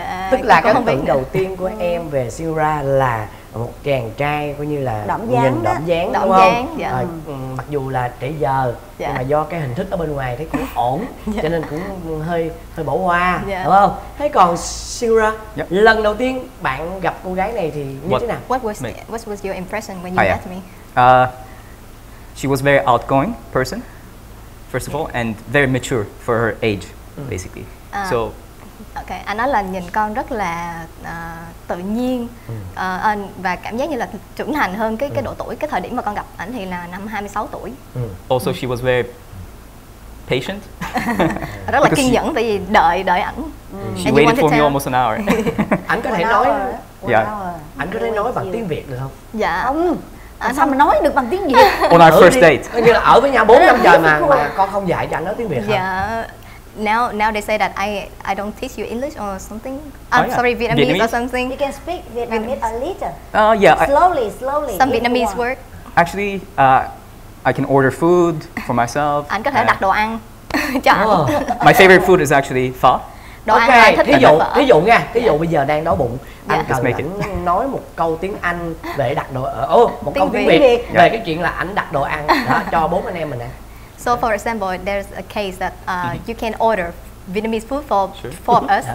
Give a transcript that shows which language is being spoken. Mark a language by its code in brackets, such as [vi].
[vi] Tức là cái ấn tượng đầu tiên của em về Sigura là một chàng trai coi như là đậm dáng, nhìn đậm dáng đúng đậm không? Dáng, dạ. Mặc dù là trễ giờ nhưng mà do cái hình thức ở bên ngoài thấy cũng ổn, cho nên cũng hơi bỏ qua, đúng không? Thế còn Sigura, lần đầu tiên bạn gặp cô gái này thì như thế nào? [en] What was your impression when you met me? She was very outgoing person, first of all, and very mature for her age, basically. So [vi] okay, anh nói là nhìn con rất là tự nhiên và cảm giác như là trưởng thành hơn cái độ tuổi. Cái thời điểm mà con gặp ảnh thì là năm 26 tuổi. [en] Also she was very patient. [vi] Rất là kiên nhẫn, vì đợi ảnh. [en] She waited for me almost an hour. [vi] Ảnh có thể nói ảnh có thể nói bằng tiếng Việt được không? Dạ. Không. Sao mà nói được bằng tiếng Việt? [en] On our first date. [vi] Như là ở với nhau 4 năm trời mà con không dạy cho anh nói tiếng Việt hả? Dạ. [en] Now they say that I don't teach you English or something. Sorry, Vietnamese or something. You can speak Vietnamese a little. Oh yeah. Slowly. Some Vietnamese work. Actually, I can order food for myself. [vi] Anh có thể đặt đồ ăn cho anh. [en] My favorite food is actually pho. [vi] Đồ ăn anh thích. Ví dụ nha. Ví dụ bây giờ đang đói bụng, anh cần ảnh nói một câu tiếng Anh để đặt đồ. Một câu tiếng Việt về cái chuyện là ảnh đặt đồ ăn cho bốn anh em mình nè. [en] So for example, there's a case that you can order Vietnamese food for four of us.